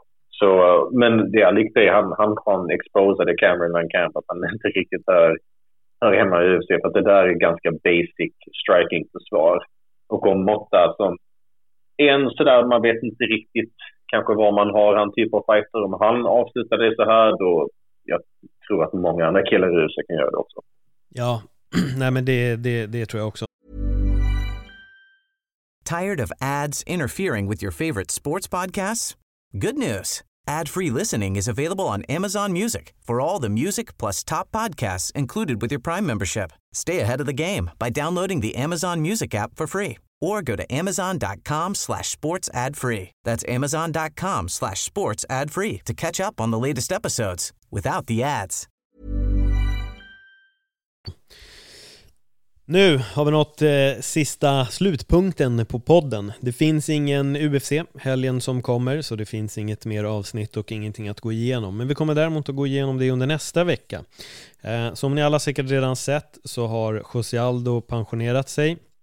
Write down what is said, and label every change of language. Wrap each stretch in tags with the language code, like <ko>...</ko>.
<sv>Så, men det är likt det, han kan exposa det Cameron Lankamp, att han inte riktigt hör hemma i UFC, för att det där är ganska basic striking försvar. Och om Motta som en sådär, man vet inte riktigt kanske vad man har han typ av fighter, om han avslutar det så här, då jag tror att många andra killar i USA kan göra det också. Ja, nej men det tror jag också.</sv> <en>Tired of ads interfering with your favorite sports podcasts? Good news! Ad-free listening is available on Amazon Music for all the music plus top podcasts included with your Prime membership. Stay ahead of the game by downloading the Amazon Music app for free. Or go to amazon.com/sportsadfree. That's amazon.com/sportsadfree to catch up on the latest episodes without the ads.</en> <sv>Nu har vi nått sista slutpunkten på podden. Det finns ingen UFC helgen som kommer, så det finns inget mer avsnitt och ingenting att gå igenom. Men vi kommer däremot att gå igenom det under nästa vecka. Som ni alla säkert redan sett så har José Aldo pensionerat sig.</sv>